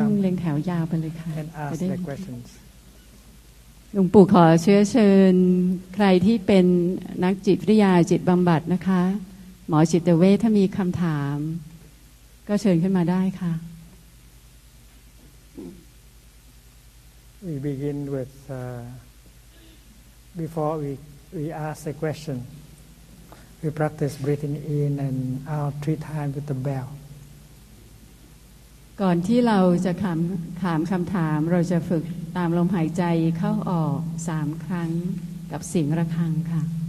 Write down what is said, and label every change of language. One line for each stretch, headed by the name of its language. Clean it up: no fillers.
Thai: นั่งเรียงแถวยาวไปเลยค่ะ
English: And ask the questions
Thai: หลวงปู่ขอเชื้อเชิญใครที่เป็นนักจิตวิทยาจิตบำบัดนะคะหมอจิตเวชถ้ามีคำถามก็เชิญขึ้นมาได้ค่ะ
English: We begin withBefore we ask a question, we practice breathing in and out 3 times with the bell.
Thai: ก่อนที่เราจะถามคำถามเราจะฝึกตามลมหายใจเข้าออก3 ครั้งกับเสียงระฆังค่ะ